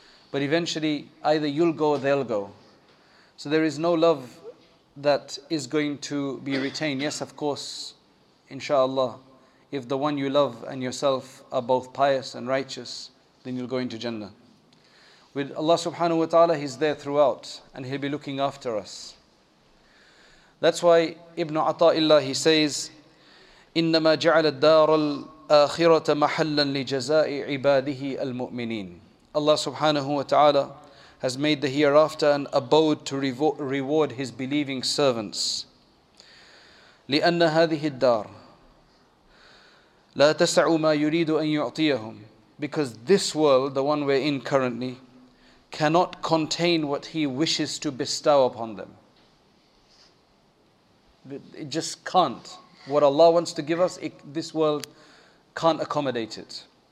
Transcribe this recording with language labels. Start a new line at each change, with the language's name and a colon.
English: But eventually, either you'll go or they'll go. So there is no love that is going to be retained. Yes, of course, inshallah, if the one you love and yourself are both pious and righteous, then you'll go into Jannah. With Allah subhanahu wa ta'ala, He's there throughout and He'll be looking after us.
Arabic: That's why Ibn Ata'illah, he says, إنما جعل الدار الآخرة محلا لجزاء عباده المؤمنين.
English: Allah subhanahu wa ta'ala has made the hereafter an abode to reward His believing servants. لأن هذه الدار,
Arabic: لا تسعوا ما يريد أن يعطيهم.
English: Because this world, the one we're in currently, cannot contain what he wishes to bestow upon them. It just can't. What Allah wants to give us, this world can't accommodate it.